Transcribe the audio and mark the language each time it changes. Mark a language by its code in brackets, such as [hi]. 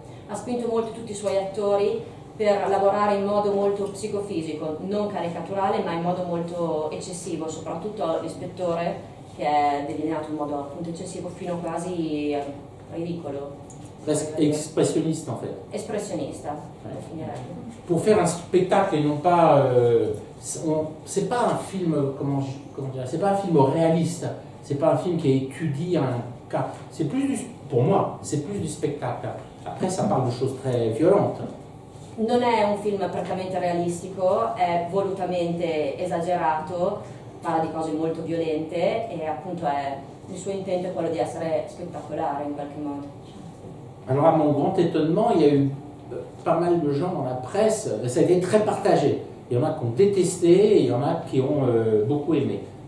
[it] Ha spinto molto tutti i suoi attori per lavorare in modo molto psicofisico, non caricaturale, ma in modo molto eccessivo, soprattutto l'ispettore che è delineato in modo appunto eccessivo fino quasi ridicolo. [fr] Expressionniste en fait. Expressionniste, ouais. Pour faire un spectacle et non pas. C'est pas un film, comment dire, c'est pas un film réaliste, c'est pas un film qui étudie un cas. C'est plus du, pour moi, c'est plus du spectacle. Après, ça parle de choses très violentes. [it] Non è un film prettamente realistico, è volutamente esagerato, parla di cose molto violente e appunto è. Il suo intento è quello di essere spettacolare in qualche modo. [fr] Allora, a mon grand étonnement, il y a eu pas mal de gens dans la presse, ça a été très partagé. Il y en a qui ont détesté et il y en a qui ont beaucoup aimé.